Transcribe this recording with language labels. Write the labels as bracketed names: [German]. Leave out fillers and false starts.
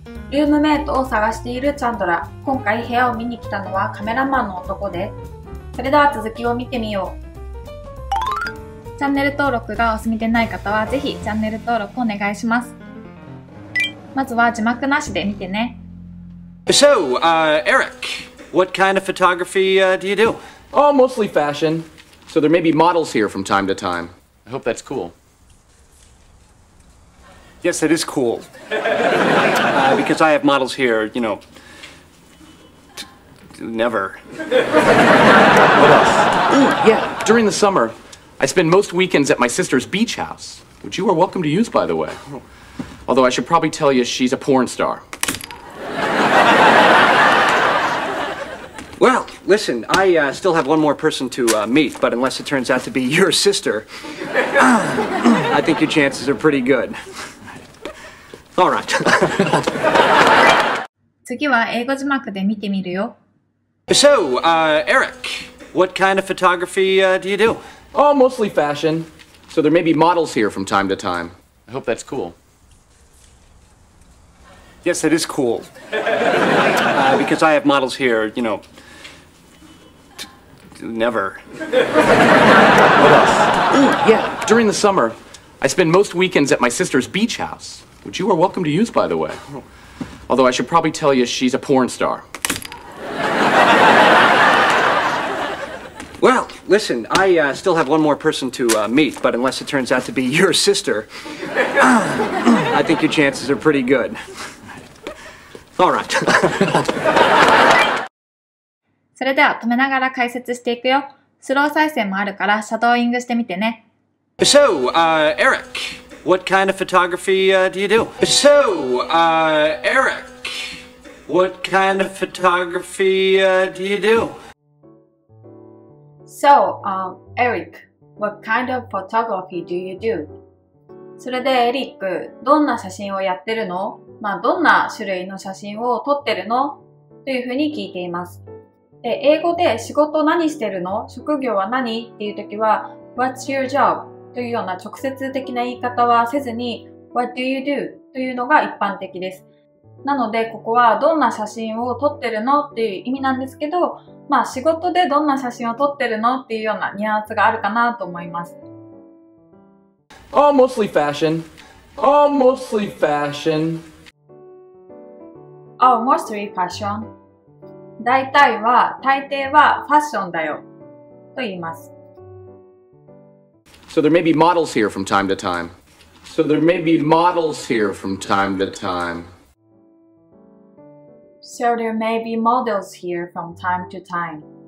[Japanese] ルームメイトを探しているチャンドラ、今回部屋を見に来たのはカメラマンの男で、それでは続きを見てみよう。チャンネル登録がお済みでない方はぜひチャンネル登録お願いします。まずは字幕なしで見てね。 [English] So, Eric, what kind of photography, do you do? Oh, mostly fashion. So there may be models here from time to time. I hope that's cool. Yes, it is cool. Because I have models here, you know, never. What else? Ooh, yeah, during the summer, I spend most weekends at my sister's beach house, which you are welcome to use, by the way. Although I should probably tell you she's a porn star. Well, listen, I still have one more person to meet, but unless it turns out to be your sister, I think your chances are pretty good. All right. [Japanese] 次は英語字幕で見てみるよ。 [English] So, Eric, what kind of photography, do you do? Oh, mostly fashion. So there may be models here from time to time. I hope that's cool. Yes, it is cool. Because I have models here, you know, never. What else? Ooh, yeah, during the summer, I spend most weekends at my sister's beach house, which you are welcome to use, by the way. Although I should probably tell you she's a porn star. Well, listen, I still have one more person to meet, but unless it turns out to be your sister, I think your chances are pretty good. All right. [Japanese] それでは止めながら解説していくよ。スロー再生もあるからシャドーイングしてみてね。 [English] So, Eric, what kind of photography, do you do? So, Eric, what kind of photography, do you do? So, Eric, what kind of photography do you do? [Japanese] それでエリック、どんな写真をやってるの?まあ、どんな種類の写真を撮ってるの? というふうに聞いています。で、英語で仕事何してるの? 職業は何?っていうときは、 [English] What's your job? [Japanese] というような直接的な言い方はせずに、 [English] What do you do? [Japanese] というのが一般的です。なので、ここはどんな写真を撮ってるの? っていう意味なんですけど、まあ、仕事でどんな写真を撮ってるの? っていうようなニュアンスがあるかなと思います。 [English] Oh, mostly fashion. Oh, mostly fashion. Oh, mostly fashion. [Japanese] 大体は、大抵はファッションだよ、と言います。 [English] So there may be models here from time to time. So there may be models here from time to time. So there may be models here from time to time.